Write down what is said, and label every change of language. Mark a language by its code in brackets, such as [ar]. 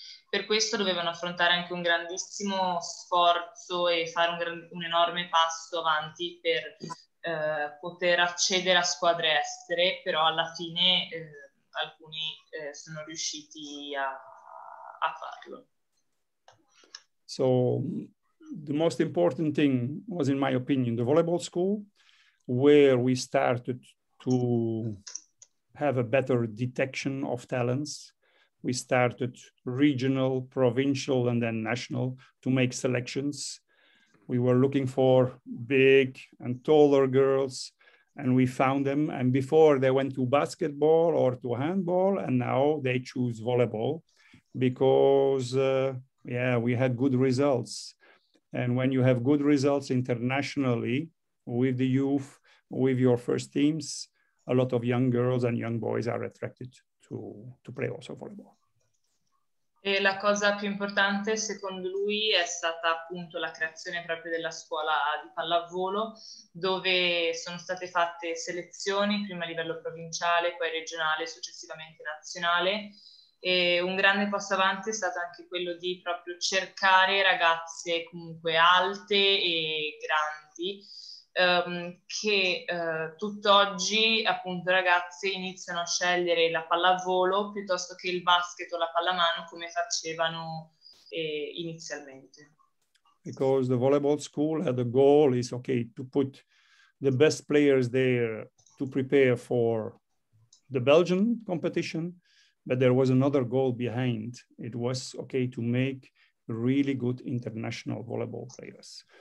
[it] Per questo dovevano affrontare anche un grandissimo sforzo e fare un enorme passo avanti per poter accedere a squadre estere, però alla fine alcuni sono riusciti a farlo. [en] So the most important thing was, in my opinion, the volleyball school, where we started to have a better detection of talents. We started regional, provincial, and then national to make selections. We were looking for big and taller girls, and we found them. And before, they went to basketball or to handball, and now they choose volleyball because yeah, we had good results. And when you have good results internationally with the youth, with your first teams, a lot of young girls and young boys are attracted to play also volleyball. [it] E la cosa più importante, secondo lui, è stata appunto la creazione proprio della scuola di pallavolo, dove sono state fatte selezioni, prima a livello provinciale, poi regionale, successivamente nazionale. E un grande passo avanti è stato anche quello di proprio cercare ragazze comunque alte e grandi, che tutt'oggi appunto ragazze iniziano a scegliere la pallavolo piuttosto che il basket o la pallamano come facevano inizialmente. [en] Because the volleyball school had a goal is okay to put the best players there to prepare for the Belgian competition. But there was another goal behind. It was okay to make really good international volleyball players.